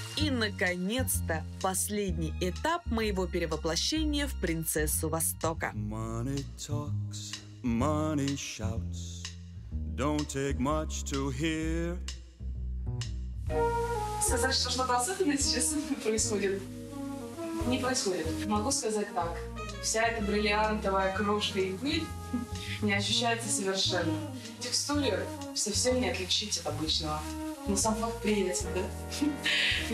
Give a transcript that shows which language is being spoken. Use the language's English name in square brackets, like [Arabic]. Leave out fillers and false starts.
[Russian] Наконец-то последний этап моего перевоплощения в принцессу Востока. [English] Money talks, money shouts. Don't take much to hear. [Russian] Сказать, что на балсах у меня сейчас происходит. не происходит. Могу сказать так. Вся эта бриллиантовая крошка и пыль не ощущается совершенно. Текстуру совсем не отличить от обычного. Но сам факт приятен, да?